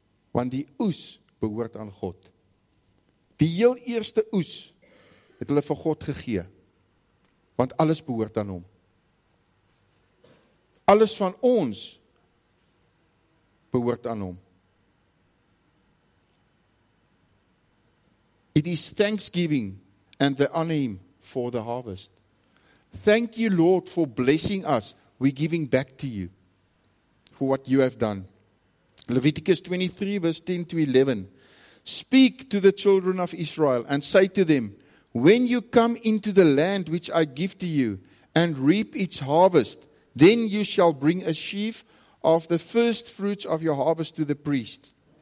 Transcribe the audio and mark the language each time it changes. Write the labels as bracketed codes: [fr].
[af] Want die oes behoort aan God. Die heel eerste oes het hulle vir God gegee. Want alles behoort aan hom. Alles van ons behoort aan hom. [en] It is thanksgiving and the anim for the harvest. Thank you, Lord, for blessing us. We're giving back to you for what you have done. Leviticus 23, verse 10 to 11. Speak to the children of Israel and say to them, when you come into the land which I give to you and reap its harvest, then you shall bring a sheaf of the first fruits of your harvest to the priest.